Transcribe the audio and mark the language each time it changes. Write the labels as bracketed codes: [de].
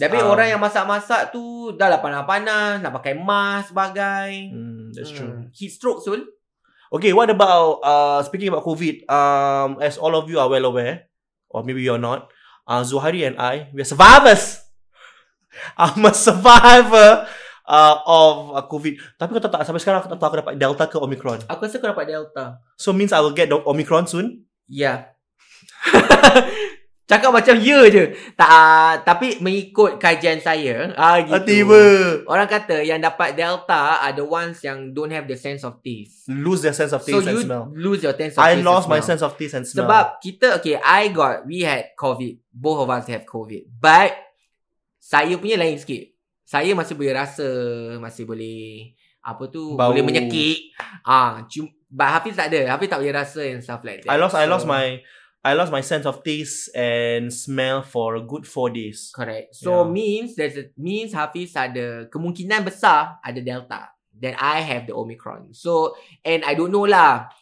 [ms] Tapi orang yang masak-masak tu dah lah panas-panas, nak pakai mask sebagai. [en] That's true. Heat stroke soon. Okay, what about speaking about COVID? As all of you are well aware, or maybe you're not, Zuhari and I, we are survivors. I'm a survivor of COVID. [ms] Tapi kau tak sampai sekarang aku tak tahu aku dapat Delta ke Omicron. Aku rasa aku dapat Delta. [en] So means I will get Omicron soon? Yeah. [ms] Cakap macam ya je. Tapi mengikut kajian saya, tiba. Orang kata yang dapat Delta [en] are the ones [ms] yang [en] don't have the sense of taste. Lose their sense of taste and smell. So you lose your sense of taste. I lost my sense of taste and smell. [ms] Sebab kita, [en] okay, we had COVID. Both of us have COVID. But [ms] saya punya lain sikit. Saya masih boleh rasa, masih boleh apa tu, bau. Boleh menyekik. [en] But [ms] Hafiz tak ada. Hafiz tak boleh rasa [en] and stuff like that. I lost my sense of taste and smell for a good 4 days. Correct. So yeah. [ms] means Hafiz ada kemungkinan besar ada Delta. [en] Then I have the Omicron. So and I don't know lah.